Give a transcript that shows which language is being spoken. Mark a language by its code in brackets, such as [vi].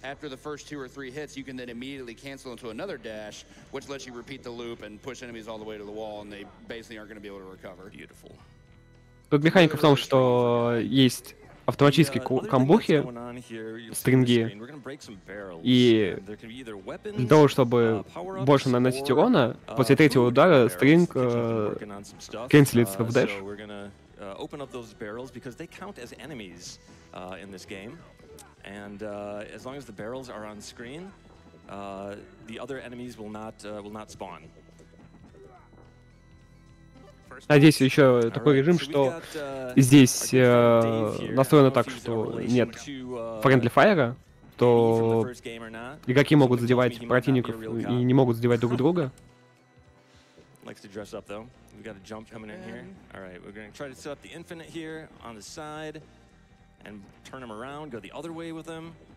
[en] After the first two or three hits, you can then immediately cancel into another dash, which lets you repeat the loop and push enemies all the way to the wall, and they basically aren't going to be able to recover. Beautiful. [ru] Тут механика в том, что есть автоматические комбухи, стринги, и для того, чтобы больше наносить урона, после третьего удара стринг канцелится в дэш. [en] Open up those barrels because they count as enemies in this game. And as long as the barrels are on screen, the other enemies will not spawn. [ru] Надеюсь, еще такой режим, что здесь настроено так, что нет friendly fire, то игроки могут задевать противников и не могут задевать друг друга. [en] Likes to dress up though. We got a jump coming in here. All right, we're gonna try to set up the infinite here on the side and turn him around, go the other way with him.